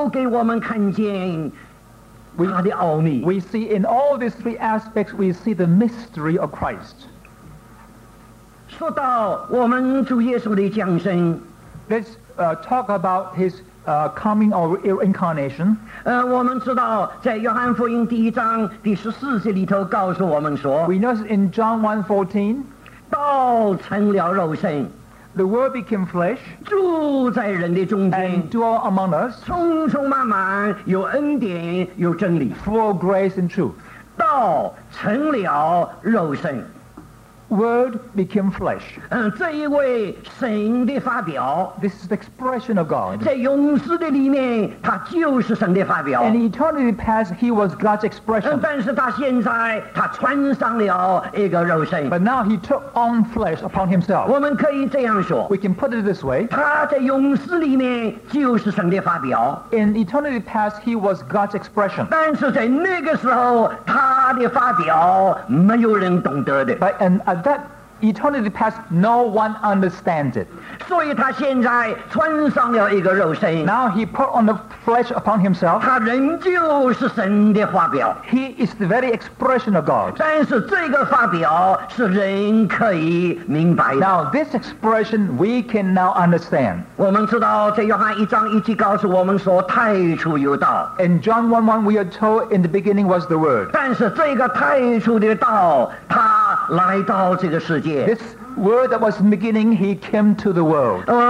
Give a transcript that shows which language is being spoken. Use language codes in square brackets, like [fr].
[zh] 我们看见说这三点都给我们看见。 [en] We see in all these three aspects, we see the mystery of Christ. [zh] 说到我们主耶稣的降生, [en] Let's talk about his coming or incarnation. [zh] 我们知道在约翰福音第一章第十四节里头告诉我们说, [en] We know in John 1:14, [zh] 道成了肉身, [en] The Word became flesh, [zh] 住在人的中间, [en] and dwell among us, [zh] 充充满满有恩典有真理, [en] full of grace and truth. [zh] 道成了肉身, [en] Word became flesh. [zh] 这一位神的发表, [en] this is the expression of God. [zh] 在永世的里面,他就是神的发表, [en] in eternity past, he was God's expression. [zh] 但是他现在,他穿上了一个肉身, [en] but now he took on flesh upon himself. [zh] 我们可以这样说, [en] we can put it this way. In eternity past, he was God's expression. [zh] 但是在那个时候,他的发表没有人懂得的。 [en] But at that eternity past, no one understands it. [zh] 所以他现在穿上了一个肉身, [en] now he put on the flesh upon himself. [zh] 他仍旧是神的发表, [en] he is the very expression of God. [zh] 但是这个发表是人可以明白的。 [en] Now this expression we can now understand. [zh] 我们知道在约翰一章一节告诉我们说, 太初有道, [en] in John 1:1 we are told in the beginning was the Word. [zh] 但是这个太初的道, 他来到这个世界。 [en] This Word that was in the beginning, he came to the world.